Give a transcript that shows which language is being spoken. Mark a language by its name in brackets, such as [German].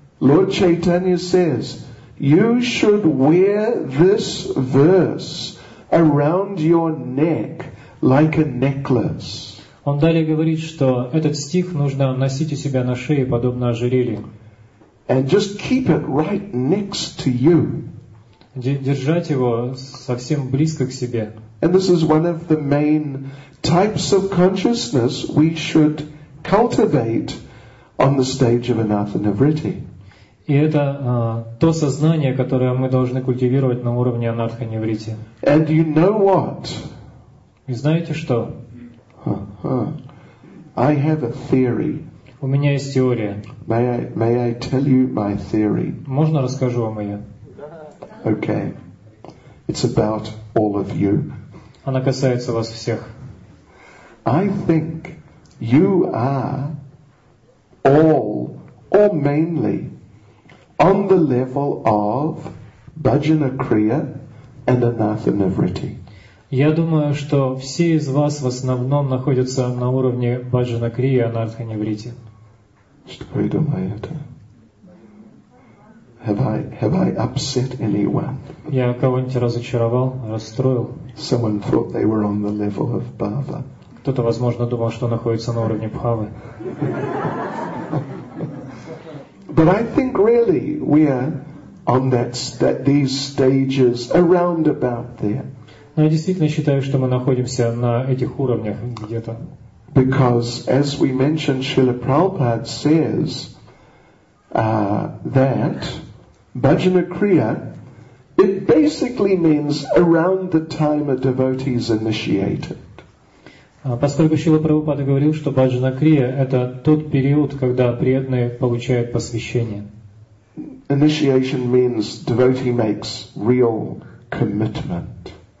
[English] Lord Chaitanya says, "You should wear this verse around your neck." Like a necklace. [Russian] Он далее говорит, что этот стих нужно носить у себя на шее, подобно ожерелью. [English] And just keep it right next to you. [Russian] Держать его совсем близко к себе. [English] And this is one of the main types of consciousness we should cultivate on the stage of Anathanavritti. [Russian] И это то сознание, которое мы должны культивировать на уровне Анатханавритти. [English] And you know what? [Russian] И знаете что? [English] I have a theory. [Russian] У меня есть теория. [English] May I tell you my theory? [Russian] Можно расскажу вам ее? [English] Okay. It's about all of you. [Russian] Она касается вас всех. [English] I think you are all or mainly on the level of Bhajana Kriya and Anathanavritti. [Russian] Я думаю, что все из вас в основном находятся на уровне Баджана Крии и Анартханевритти. Что вы думаете? [English] Have I upset anyone? [Russian] Я кого-нибудь разочаровал, расстроил? [English] Someone thought they were on the level of Bhava. [Russian] Кто-то, возможно, думал, что находится на уровне Бхавы. [English] But I think really we are on that these stages around about there. [Russian] Но я действительно считаю, что мы находимся на этих уровнях где-то. [English] Because, as we mentioned, Srila Prabhupada says that Bhajana Kriya, it basically means around the time a devotee is initiated. [Russian] Поскольку Шрила Прабхупада говорил, что Бхаджана Крия — это тот период, когда преданные получают посвящение. [English] Initiation means devotee makes real commitment.